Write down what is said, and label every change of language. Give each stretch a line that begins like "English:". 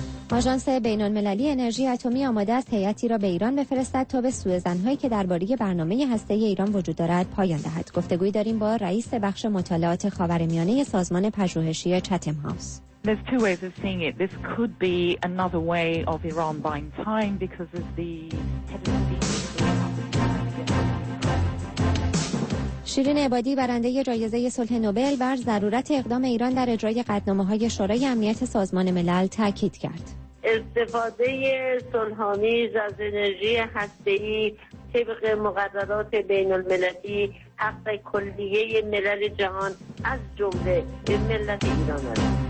Persian: آژانس بین‌المللی انرژی اتمی آماده است هیئتی را به ایران بفرستد تا به سوءزن‌هایی که درباره برنامه هسته‌ای ایران وجود دارد پایان دهد. گفتگوی داریم با رئیس بخش مطالعات خاورمیانه سازمان پژوهشی چتم هاوس.
English: There's two ways of seeing it. This could be another way of Iran buying time because of the
Persian: شیرین عبادی برنده جایزه صلح نوبل بر ضرورت اقدام ایران در اجرای قطعنامه‌های شورای امنیت سازمان ملل تاکید کرد. استفاده صلح‌آمیز از انرژی هسته‌ای طبق مقررات بین‌المللی حق کلیه ملل جهان از جمله ملت ایران است.